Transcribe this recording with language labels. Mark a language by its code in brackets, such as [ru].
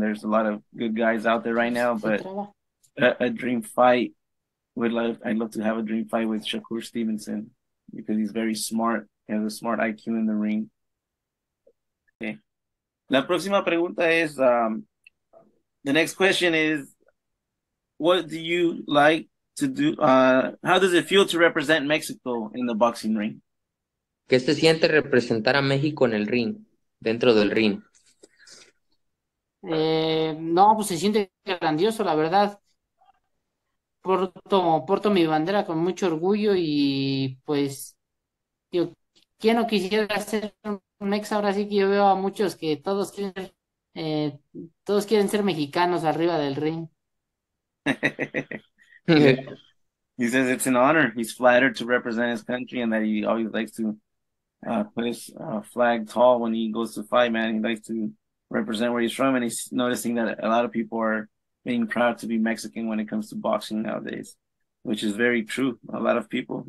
[en] There's a lot of good guys out there right now, but a dream fight would love, I'd love to have a dream fight with Shakur Stevenson because he's very smart. He has a smart IQ in the ring. Okay. La próxima pregunta es, the next question is, what do you like to do? How does it feel to represent Mexico in the boxing ring? [es] ¿Qué se siente representar a México en el ring, dentro del ring? No, pues se siente grandioso, la verdad. Porto mi bandera con mucho orgullo y pues yo, ¿quién no quisiera ser un mex? Ahora sí que yo veo a muchos que todos quieren ser mexicanos arriba del ring. [en] Yeah. He says it's an honor. He's flattered to represent his country and that he always likes to put his flag tall when he goes to fight, man. He likes to represent where he's from, and he's noticing that a lot of people are being proud to be Mexican when it comes to boxing nowadays, which is very true. A lot of people.